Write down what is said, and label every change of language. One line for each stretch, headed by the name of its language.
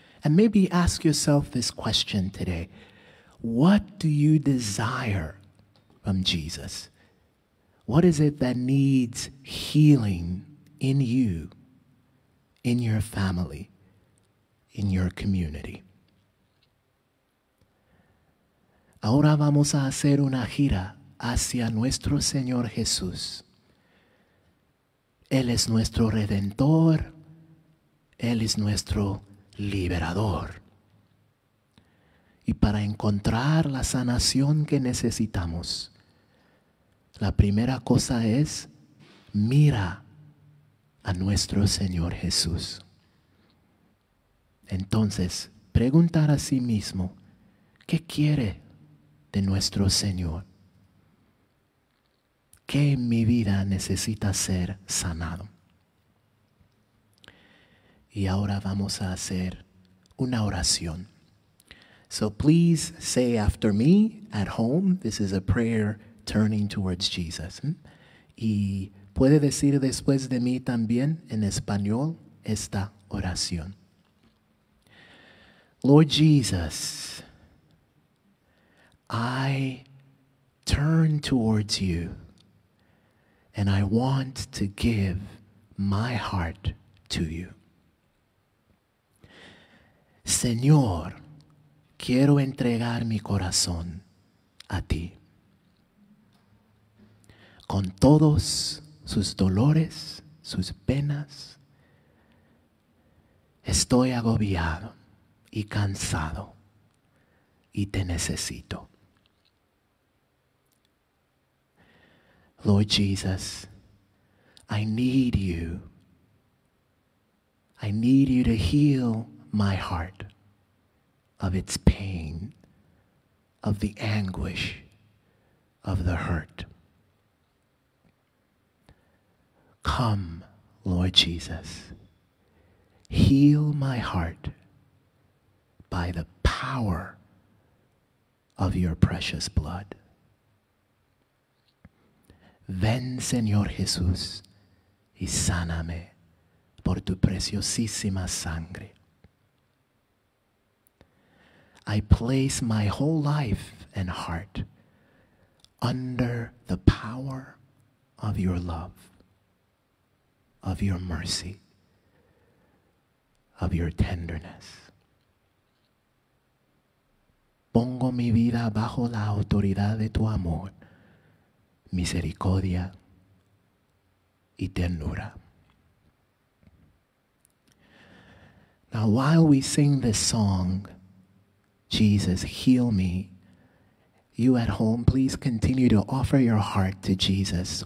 English: And maybe ask yourself this question today. What do you desire from Jesus? What is it that needs healing in you, in your family, in your community?
Spanish: Ahora vamos a hacer una gira hacia nuestro Señor Jesús. Él es nuestro Redentor. Él es nuestro Liberador. Y para encontrar la sanación que necesitamos, la primera cosa es, mira a nuestro Señor Jesús. Entonces, preguntar a sí mismo, ¿qué quiere de nuestro Señor? ¿Qué en mi vida necesita ser sanado? Y ahora vamos a hacer una oración.
English: So please say after me at home. This is a prayer turning towards Jesus.
Spanish: Y puede decir después de mí también en español esta oración.
English: Lord Jesus, I turn towards you and I want to give my heart to you.
Spanish: Señor, quiero entregar mi corazón a ti, con todos sus dolores, sus penas. Estoy agobiado y cansado y te necesito.
English: Lord Jesus, I need you. I need you to heal my heart of its pain, of the anguish, of the hurt. Come, Lord Jesus, heal my heart by the power of your precious blood.
Spanish: Ven, Señor Jesús, y sáname por tu preciosísima sangre.
English: I place my whole life and heart under the power of your love, of your mercy, of your tenderness.
Spanish: Pongo mi vida bajo la autoridad de tu amor, misericordia y ternura.
English: Now, while we sing this song, Jesus, heal me. You at home, please continue to offer your heart to Jesus.